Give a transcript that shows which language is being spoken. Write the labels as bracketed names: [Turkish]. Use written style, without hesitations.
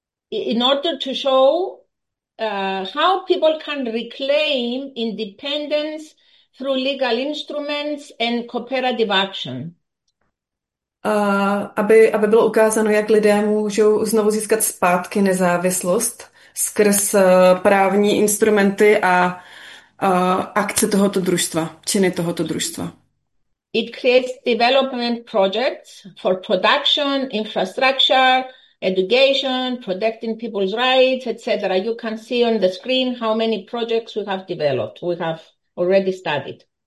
[English] In order to show how people can reclaim independence through legal instruments and cooperative action. [Czech] Aby bylo ukázáno, jak lidé můžou znovu získat zpátky nezávislost skrz právní instrumenty a akce tohoto družstva, činy tohoto družstva. [English] It creates development projects for production, infrastructure, education, protecting people's rights, etc. You can see on the screen how many projects we have developed, we have already started.